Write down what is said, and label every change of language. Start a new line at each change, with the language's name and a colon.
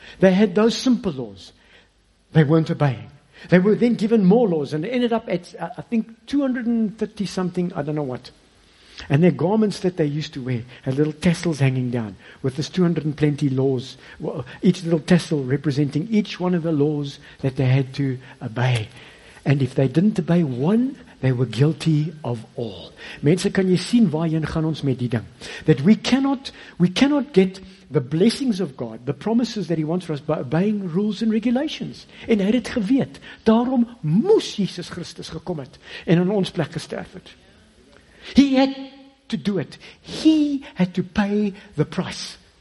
English: They had those simple laws. They weren't obeying. They were then given more laws and ended up at, I think, 230 something, I don't know what. And their garments that they used to wear had little tassels hanging down with this 200 and plenty laws, well, each little tassel representing each one of the laws that they had to obey. And if they didn't obey one, they were guilty of all.
Afrikaans: Mense, kan jy sien waarheen gaan ons met die ding?
English: That we cannot get the blessings of God, the promises that He wants for us, by obeying rules and regulations.
Afrikaans: En hy het geweet, daarom moes Jesus Christus gekom het en in ons plek gesterf het.
English: He had to do it. He had to pay the price.